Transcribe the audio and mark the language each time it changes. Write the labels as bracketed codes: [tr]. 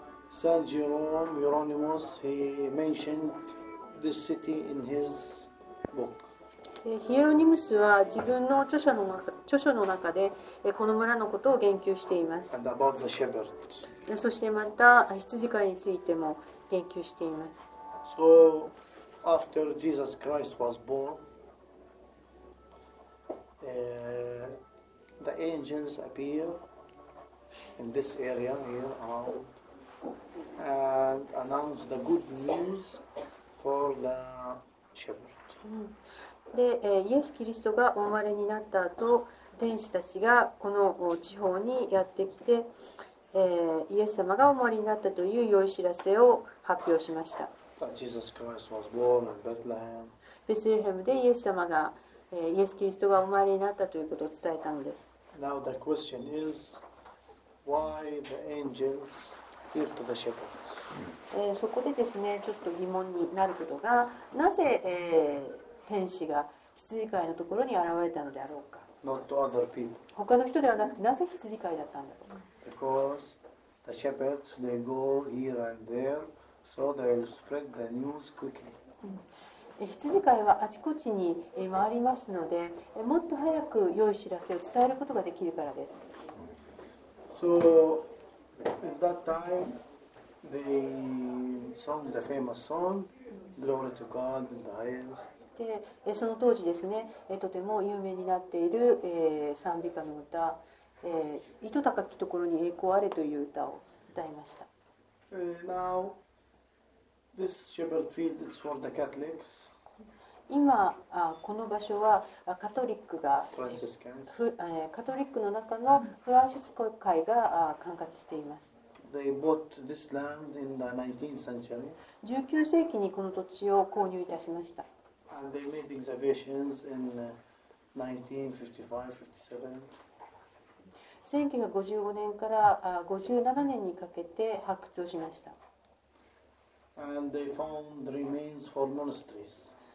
[en] サン・ジェローム・ユロニモス、he mentioned this city in his book. [ja] ヒエロニムスは自分の著書の中でこの村のことを言及しています。 [en] And about the shepherds. [ja] そしてまた羊飼いについても言及しています。 [en] So, after Jesus Christ was born,the angels appear in this area here around and announce the good news for the shepherd. [ja] で、イエス・キリストがお生まれになった後、天使たちがこの地方にやってきて、イエス様がお生まれになったという良い知らせを発表しました。 [en] That Jesus Christ was born in Bethlehem. [ja] ベツレヘムでイエス様がイエス・キリストがお生まれになったということを伝えたのです。 [en] Now the question is, why the angels appear to the shepherds? [ja] そこでですね、ちょっと疑問になることが、なぜ天使が羊飼いのところに現れたのであろうか。 [en] Not to other people. [ja] 他の人ではなくて、なぜ羊飼いだったんだろうか。 [en] Because the shepherds, they go here and there, so they will spread the news quickly. [ja] 羊飼いはあちこちに回りますので、もっと早く良い知らせを伝えることができるからです。 [en] So at that time they sung the famous song Glory to God in the highest. [ja] で、その当時ですね、とても有名になっている賛美歌の歌、糸高きところに栄光あれという歌を歌いました。 [en] Now this shepherd field is for the Catholics. [ja] 今この場所はカトリックが、カトリックの中のフランシスコ会が管轄しています。 [en] They bought this land in the 19th century. [ja] 19世紀にこの土地を購入いたしました。 [en] And they made excavations in 1955-57. [ja] 1955年から57年にかけて発掘をしました。 [en] And they found remains for monasteries.